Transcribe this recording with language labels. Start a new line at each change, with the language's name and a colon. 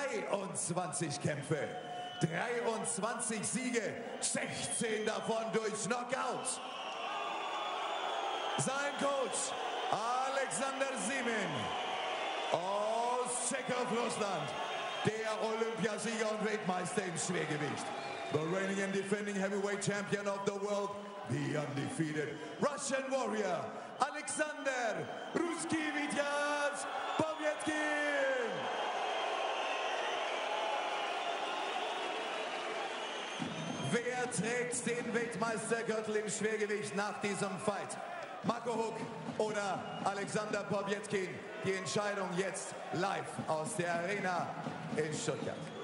German: 23 Kämpfe, 23 Siege, 16 davon durch Knockout. Sein Coach Alexander Simin aus Tschechoslowakei, der Olympiasieger und Weltmeister im Schwergewicht.
English: The reigning and defending heavyweight champion of the world, the undefeated Russian warrior, Alexander Ruski Vityaz Povetkin!
German: Wer trägt den Weltmeistergürtel im Schwergewicht nach diesem Fight? Marco Huck oder Alexander Povetkin? Die Entscheidung jetzt live aus der Arena in Stuttgart.